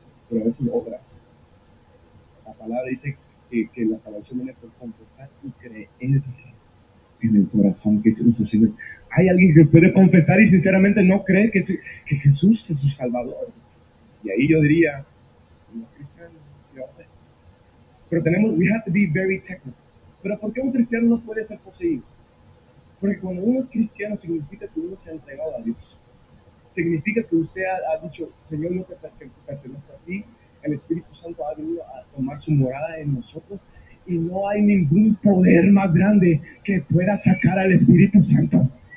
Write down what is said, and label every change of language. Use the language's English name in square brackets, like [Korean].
[Spanish] Pero eso es obra. La palabra dice que la salvación viene por confesar y creer en el corazón que es nuestro Señor. Hay alguien que puede confesar y sinceramente no cree que Jesús es su Salvador. Y ahí yo diría, un cristiano, yo sé. Pero tenemos, [English] we have to be very technical. [Spanish] Pero ¿por qué un cristiano no puede ser poseído? Porque cuando uno es cristiano significa que uno se ha entregado a Dios. Significa que usted ha dicho, Señor, yo te pertenezco a ti. El Espíritu Santo ha venido a tomar su morada en nosotros y no hay ningún poder más grande que pueda sacar al Espíritu Santo.